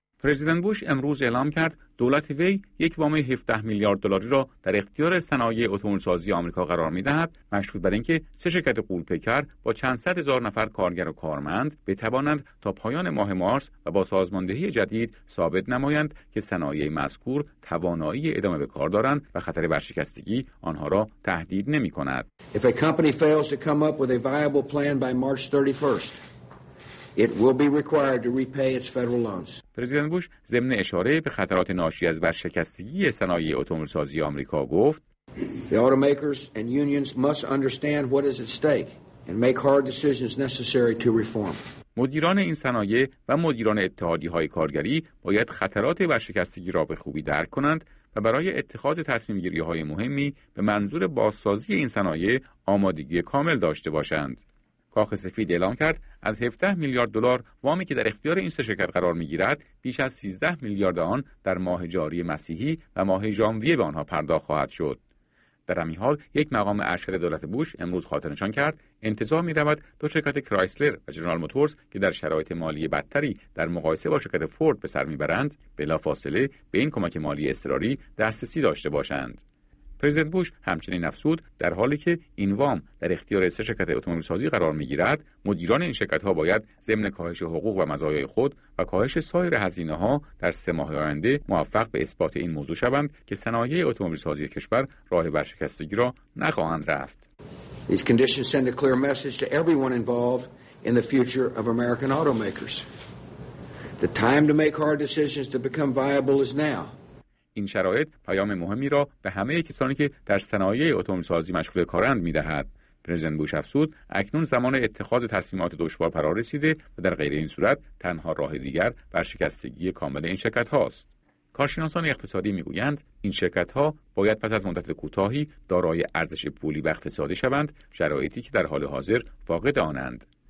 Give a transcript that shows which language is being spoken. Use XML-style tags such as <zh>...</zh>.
<fa>پرزیدنت بوش امروز اعلام کرد دولت وی یک وام 17 میلیارد دلاری را در اختیار صنایع اتومبیل‌سازی آمریکا قرار می‌دهد، مشروط بر اینکه 3 شرکت غول‌پیکر با چند صد هزار نفر کارگر و کارمند بتوانند تا پایان ماه مارس و با سازماندهی جدید ثابت نمایند که صنایع مذکور توانایی ادامه به کار دارند و خطر ورشکستگی آنها را تهدید نمی‌کند.</fa> <en>If a company fails to come up with a viable plan by March 31st, it will be required to repay its federal loans.</en> <fa>پرزیدنت بوش ضمن اشاره به خطرات ناشی از ورشکستگی صنایع اتومبیل‌سازی آمریکا گفت:</fa> <en>The automakers and unions must understand what is at stake and make hard decisions necessary to reform.</en> <fa>مدیران این صنایع و مدیران اتحادیه‌های کارگری باید خطرات ورشکستگی را به خوبی درک کنند و برای اتخاذ تصمیم‌گیری‌های مهمی به منظور بازسازی این صنایع آمادگی کامل داشته باشند. کاخ سفید اعلام کرد از 17 میلیارد دلار وامی که در اختیار این 3 شرکت قرار می‌گیرد، بیش از 13 میلیارد آن در ماه جاری مسیحی و ماه ژانویه به آنها پرداخت خواهد شد. در همین حال یک مقام ارشد دولت بوش امروز خاطرنشان کرد انتظار می‌رود 2 شرکت کرایسلر و جنرال موتورز که در شرایط مالی بدتری در مقایسه با شرکت فورد به سر می‌برند، بلافاصله به این کمک مالی اضطراری دسترسی داشته باشند. پرزیدنت بوش همچنین افزود در حالی که این وام در اختیار 3 شرکت اتومبیل سازی قرار می گیرد، مدیران این شرکت ها باید ضمن کاهش حقوق و مزایای خود و کاهش سایر هزینه ها در 3 ماه آینده موفق به اثبات این موضوع شوند که صنایع اتومبیل سازی کشور راه ورشکستگی را نخواهند رفت.</fa> <en>These conditions send a clear message to everyone involved in the future of American automakers. The time to make hard decisions to become viable is now.</en> <fa>این شرایط پیام مهمی را به همه کسانی که در صنایع اتومبیل سازی مشغول کارند می‌دهد. پرزیدنت بوش افزود اکنون زمان اتخاذ تصمیمات دشوار فرا رسیده و در غیر این صورت تنها راه دیگر ورشکستگی کامل این شرکت هاست. کارشناسان اقتصادی می‌گویند این شرکت ها باید پس از مدت کوتاهی دارای ارزش پولی و اقتصادی شوند، شرایطی که در حال حاضر فاقد آنند.</fa>